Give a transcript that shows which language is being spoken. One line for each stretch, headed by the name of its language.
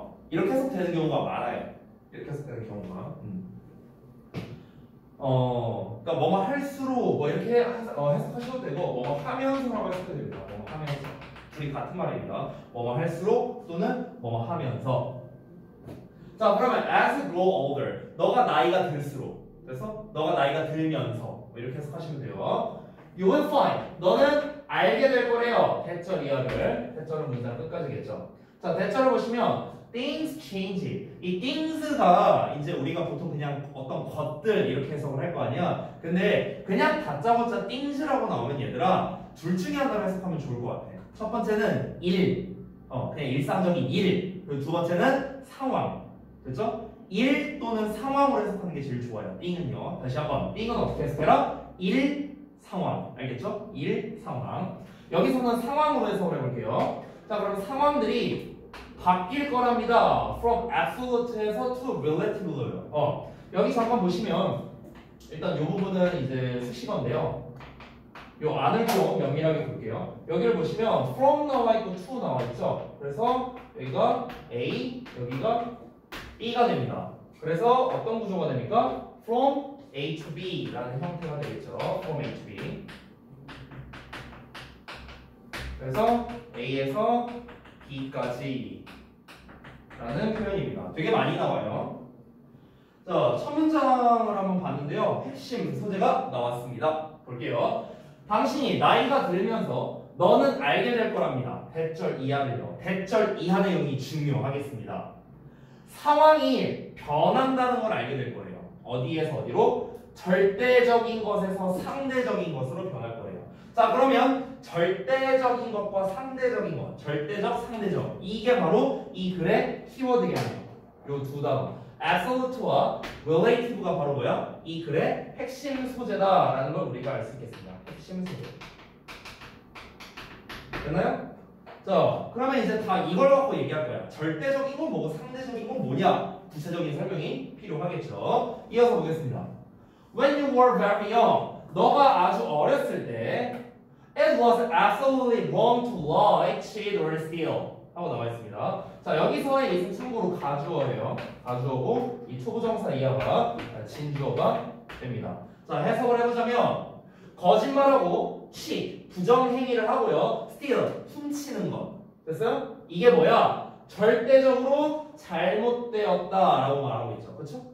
Korean: 이렇게 해석되는 경우가 많아요. 이렇게 해석되는 경우가. 그러니까 뭐뭐 할수록 뭐 이렇게 해석하셔도 되고 뭐뭐 하면서라고 해석해도 됩니다. 뭐뭐 하면서. 둘이 같은 말입니다. 뭐뭐 할수록 또는 뭐뭐 하면서. 자, 그러면
English: as you grow older.
Korean: 너가 나이가 들수록. 그래서 너가 나이가 들면서 뭐 이렇게 해석하시면 돼요.
English: You will find.
Korean: 너는 알게 될 거래요. 대절 이어를. 대절은 문장 끝까지겠죠. 자, 대절을 보시면
English: things change.
Korean: 이 things가 이제 우리가 보통 그냥 어떤 것들 이렇게 해석을 할 거 아니야. 근데 그냥 다짜고짜 things라고 나오면 얘들아 둘 중에 하나를 해석하면 좋을 것 같아. 첫 번째는 일. 그냥 일상적인 일. 그리고 두 번째는 상황. 됐죠? 일 또는 상황으로 해석하는 게 제일 좋아요. thing은요. 다시 한번. thing은 어떻게 해석해라? 일, 상황. 알겠죠? 일, 상황. 여기서는 상황으로 해석을 해볼게요. 자, 그럼 상황들이 바뀔 거랍니다.
English: From absolute에서 to relative로요.
Korean: 여기 잠깐 보시면 일단 요 부분은 이제 수식어인데요. 요 안을 좀 면밀하게 볼게요. 여기를 보시면 from 나와 있고 to 나와 있죠. 그래서 여기가 A, 여기가 B가 됩니다. 그래서 어떤 구조가 됩니까?
English: From A to B라는
Korean: 형태가 되겠죠.
English: From A to B.
Korean: 그래서 A에서 B까지 라는 표현입니다. 되게 많이 나와요. 자, 첫 문장을 한번 봤는데요. 핵심 소재가 나왔습니다. 볼게요. 당신이 나이가 들면서 너는 알게 될 거랍니다. 대절 이하네요. 대절 이하 내용이 중요하겠습니다. 상황이 변한다는 걸 알게 될 거예요. 어디에서 어디로? 절대적인 것에서 상대적인 것으로 변할 거예요. 자, 그러면 절대적인 것과 상대적인 것, 절대적, 상대적. 이게 바로 이 글의 키워드겠네요. 요 두 단어. Absolute와 Relative가 바로 뭐야? 이 글의 핵심 소재다라는 걸 우리가 알 수 있겠습니다. 핵심 소재. 됐나요? 자, 그러면 이제 다 이걸 갖고 얘기할 거야. 절대적인 건 뭐고 상대적인 건 뭐냐? 구체적인 설명이 필요하겠죠. 이어서 보겠습니다.
English: When you were very young.
Korean: 너가 아주 어렸을 때
English: It was absolutely wrong to lie, cheat, or steal
Korean: 하고 나와있습니다. 자, 여기서의 이 참고로 가주어예요. 가주어고 이 초부정사 이하가 진주어가 됩니다. 자, 해석을 해보자면 거짓말하고 cheat, 부정행위를 하고요. steal, 훔치는 것. 됐어요? 이게 뭐야? 절대적으로 잘못되었다 라고 말하고 있죠. 그쵸?